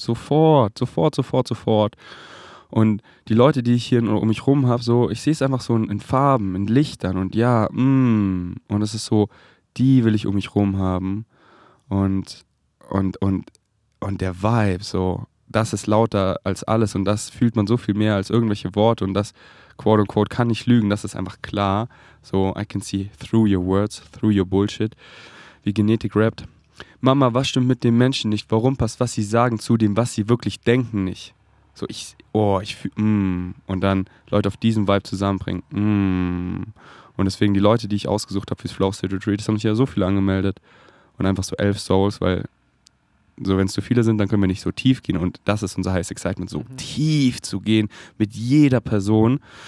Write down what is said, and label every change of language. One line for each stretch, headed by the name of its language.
German: Sofort. Und die Leute, die ich hier um mich rum habe, so, ich sehe es einfach so in Farben, in Lichtern. Und ja, und es ist so, die will ich um mich rum haben. Und der Vibe, so, das ist lauter als alles. Und das fühlt man so viel mehr als irgendwelche Worte. Und das, quote unquote, kann nicht lügen. Das ist einfach klar.
English: So, I can see through your words, through your bullshit.
German: Wie Genetik rappt. Mama, was stimmt mit den Menschen nicht? Warum passt, was sie sagen, zu dem, was sie wirklich denken, nicht? So, und dann Leute auf diesen Vibe zusammenbringen, und deswegen die Leute, die ich ausgesucht habe fürs Flow State Retreat, das haben sich ja so viele angemeldet und einfach so 11 Souls, weil so, wenn es zu viele sind, dann können wir nicht so tief gehen und das ist unser heißes Excitement, so tief zu gehen mit jeder Person.